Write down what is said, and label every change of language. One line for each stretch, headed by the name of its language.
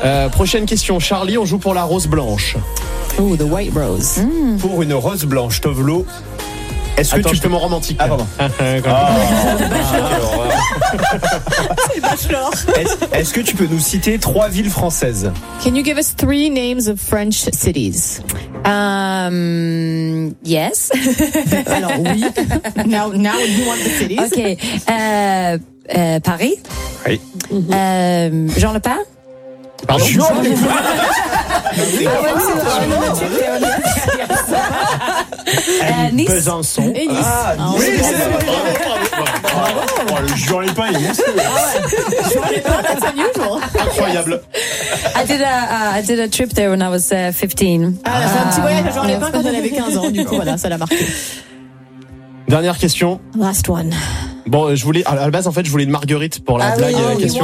French: Prochaine question, Charlie, on joue pour la rose blanche.
English: Oh, the white rose. Mm.
French: Pour une rose blanche, Tovlo, est-ce que tu te mens romantique? Ah, pardon. C'est bachelor. Est-ce que tu peux nous citer trois villes françaises?
English: Can you give us three names of French cities? Yes.
French: Alors, oui.
English: Now you want the cities. Ok. Paris.
French: Oui. Jean Lepin. Besançon. Incroyable.
English: I did a trip there when I was 15.
French: Ah, un petit voyage à Jean-Lépin quand on avait 15 ans. Du coup, voilà, ça l'a marqué. Dernière question.
English: Last one.
French: Bon, je voulais à la base, en fait, je voulais une marguerite pour la blague question.